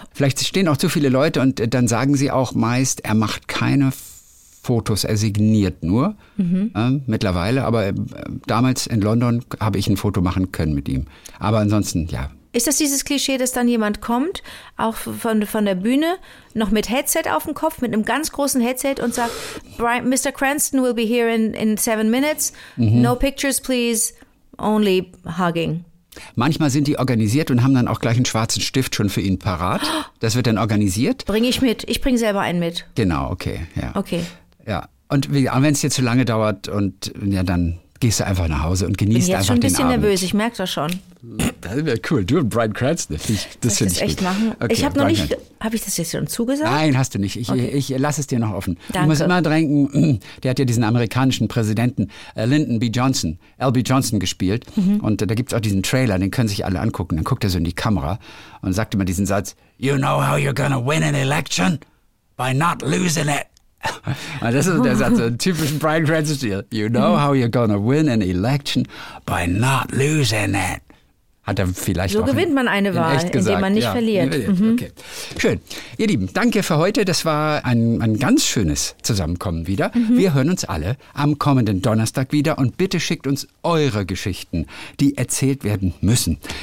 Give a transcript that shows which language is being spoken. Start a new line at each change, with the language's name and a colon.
German: Vielleicht stehen auch zu viele Leute und dann sagen sie auch meist, er macht keine Fotos, er signiert nur mittlerweile. Aber damals in London habe ich ein Foto machen können mit ihm. Aber ansonsten, ja. Ist das dieses Klischee, dass dann jemand kommt, auch von der Bühne, noch mit Headset auf dem Kopf, mit einem ganz großen Headset und sagt, Mr.
English: Cranston will be here in 7 minutes, no pictures please, only hugging.
German: Manchmal sind die organisiert und haben dann auch gleich einen schwarzen Stift schon für ihn parat. Das wird dann organisiert. Bringe ich mit, ich bringe selber einen mit. Genau, okay. Ja. Okay. Ja. Und wenn es jetzt zu lange dauert und ja dann... gehst du einfach nach Hause und genießt einfach den Abend. Ich bin jetzt schon ein bisschen nervös, ich merke das schon. Das wäre cool. Du und Bryan Cranston, das finde ich gut. Soll ich das echt machen? Okay, ich habe noch nicht, habe ich das jetzt schon zugesagt? Nein, hast du nicht. Ich lasse es dir noch offen. Danke. Du musst immer denken, der hat ja diesen amerikanischen Präsidenten Lyndon B. Johnson, L.B. Johnson gespielt. Mhm. Und da gibt es auch diesen Trailer, den können sich alle angucken. Dann guckt er so in die Kamera und sagt immer diesen Satz,
English: you know how you're gonna win an election? By not losing it.
German: Das ist der Satz, ein typischen Bryan Cranston-Stil.
English: You know how you're gonna win an election by not losing it.
German: Hat er vielleicht so auch gewinnt man eine Wahl, indem man nicht verliert. Okay. Schön. Ihr Lieben, danke für heute. Das war ein ganz schönes Zusammenkommen wieder. Mhm. Wir hören uns alle am kommenden Donnerstag wieder und bitte schickt uns eure Geschichten, die erzählt werden müssen.